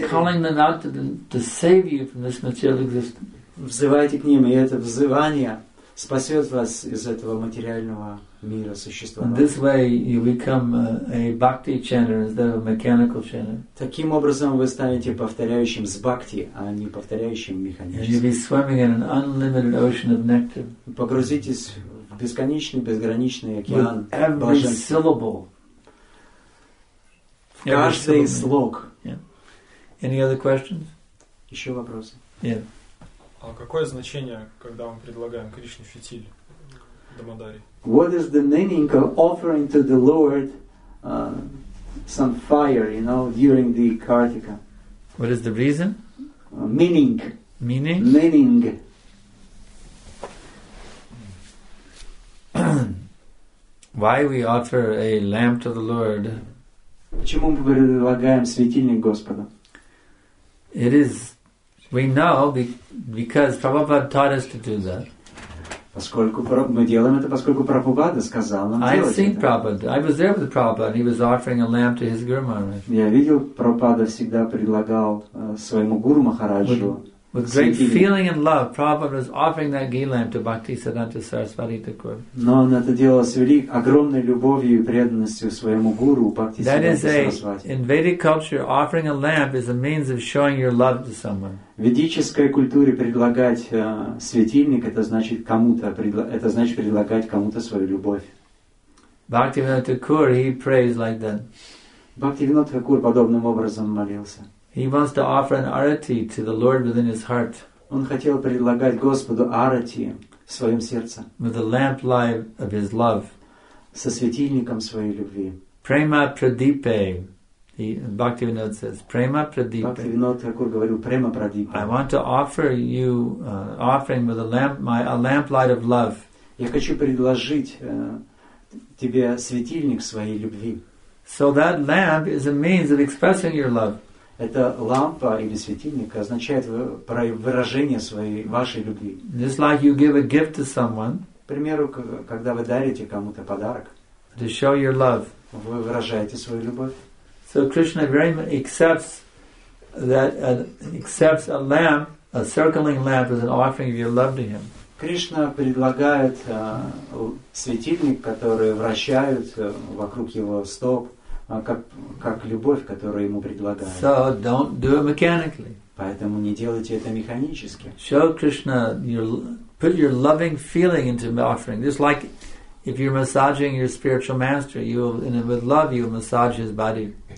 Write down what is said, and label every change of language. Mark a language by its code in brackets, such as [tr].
[en] You're calling them out to save you from this material existence. [ru] Взывайте к ним, и это взывание спасет вас из этого материального мира существования. [en] This way you become a bhakti chanter instead of a mechanical chanter. [ru] Таким образом вы станете повторяющим с бхакти, а не повторяющим механически. [en] You'll be swimming in an unlimited ocean of nectar. [ru] Погрузитесь в бесконечный, безграничный океан блаженства. [en] Every syllable. [ru] Каждый слог. [en] Yeah. Any other questions? [ru] Еще вопросы? [en] Yeah. [ru] А какое значение, когда мы предлагаем Кришне фитиль Дамодари? [en] What is the meaning of offering to the Lord some fire, you know, during the Kartika? What is the reason? Meaning. Meaning? Meaning. Why we offer a lamp to the Lord? [ru] Почему мы предлагаем светильник Господу? [en] It is... We know because Prabhupada taught us to do that. [ru] Поскольку мы делаем это, поскольку Прабхупада сказал нам делать это. [en] I've seen Prabhupada. I was there with Prabhupada, and he was offering a lamp to his Guru Maharaj. [ru] Я видел, Прабхупада всегда предлагал своему Гуру Махараджу. [en] With great feeling and love, Prabhupada was offering that ghee lamp to Bhaktisiddhanta Sarasvati Thakur. [ru] Но он это делал с великой, огромной любовью и преданностью своему гуру Бхактисиддханте Сарасвати. [en] That is in Vedic culture, offering a lamp is a means of showing your love to someone. [ru] В ведической культуре предлагать светильник это значит предлагать кому-то свою любовь. [en] Бхактисиддханта Thakur, he prays like that. [ru] Бхактисиддханта Thakur подобным образом молился. [en] He wants to offer an arati to the Lord within his heart. [ru] Он хотел предлагать Господу арати. своем сердце. [en] With the lamp light of his love. [ru] Со светильником своей любви. [en] Prema pradipe. Bhaktivinoda says, Prema pradipe. [ru] Bhaktivinoda Thakur говорил, Prema pradipe. [en] I want to offer you offering with a lamp, my a lamp light of love. [ru] Я хочу предложить тебе светильник своей любви. [en] So that lamp is a means of expressing your love. [ru] Эта лампа или светильник означает выражение своей вашей любви. [en] Just like you give a gift to someone. [ru] К примеру, когда вы дарите кому-то подарок. [en] To show your love. [ru] Вы выражаете свою любовь. [en] So Krishna very much accepts that accepts a lamp, a circling lamp, as an offering of your love to him. [ru] Кришна предлагает светильник, который вращает вокруг его стоп, как любовь, которую ему предлагают. [en] So don't do it mechanically. [ru] Поэтому не делайте это механически. [en] Show Krishna your put your loving feeling into the offering. Just like if you're massaging your spiritual master, you will, and with love you massage his body.